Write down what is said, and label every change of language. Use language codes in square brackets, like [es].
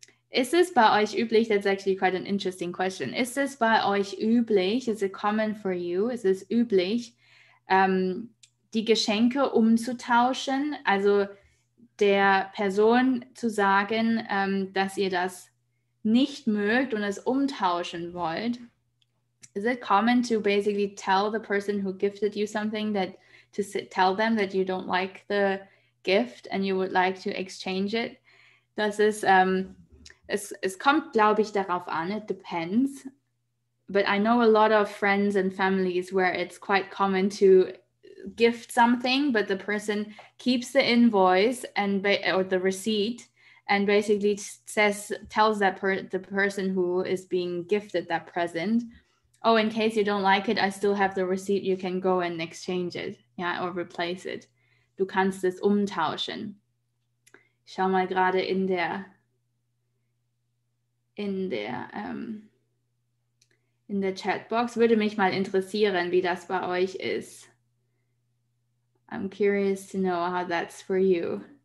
[de] Ist es bei euch üblich, [en] that's actually quite an interesting question. [de] Ist es bei euch üblich, [en] is it common for you, [de] ist es üblich, die Geschenke umzutauschen, also der Person zu sagen, dass ihr das nicht mögt und es umtauschen wollt? [en] Is it common to basically tell the person who gifted you something that to tell them that you don't like the gift and you would like to exchange it? [de] Das ist, es kommt, glaube ich, darauf an. [en] It depends. But I know a lot of friends and families where it's quite common to gift something, but the person keeps the invoice and or the receipt and basically says, tells that the person who is being gifted that present, oh, in case you don't like it, I still have the receipt, you can go and exchange it, yeah, or replace it. [de] Du kannst es umtauschen. Schau mal gerade in der Chatbox. Würde mich mal interessieren, wie das bei euch ist. [en] I'm curious to know how that's for you.